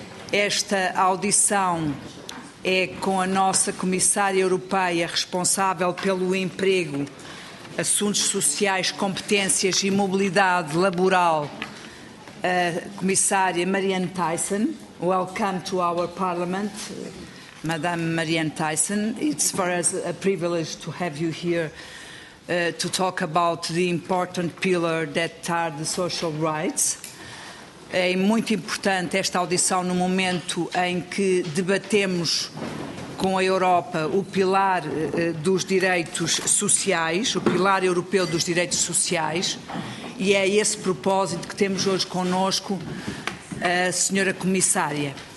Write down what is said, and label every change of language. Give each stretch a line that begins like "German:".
Portuguese: Esta audição é com a nossa Comissária Europeia responsável pelo emprego, assuntos sociais, competências e mobilidade laboral, a Comissária Marianne Thyssen.
English: Welcome to our Parliament, Madame Marianne Thyssen. It's for us a privilege to have you here to talk about the important pillar that are the social rights.
Portuguese: É muito importante esta audição no momento em que debatemos com a Europa o pilar dos direitos sociais, o pilar europeu dos direitos sociais, e é esse propósito que temos hoje connosco a Senhora Comissária.